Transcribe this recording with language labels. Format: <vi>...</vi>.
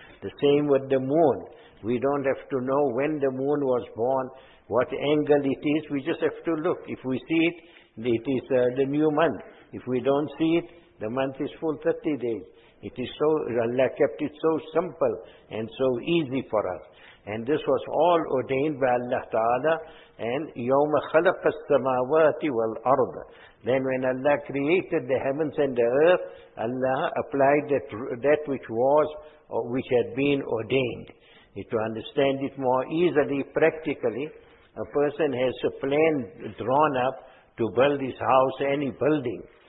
<en>The same with the moon. We don't have to know when the moon was born, what angle it is. We just have to look. If we see it, it is the new month. If we don't see it, the month is full 30 days. It is so, Allah kept it so simple and so easy for us. And this was all ordained by Allah Ta'ala.</en> <ar>And يَوْمَ خَلَقَ السَّمَاوَاتِ وَالْأَرْضِ.</ar> <en>Then when Allah created the heavens and the earth, Allah applied that which was, or which had been ordained. If you understand it more easily, practically, a person has a plan drawn up to build his house, any building.</en>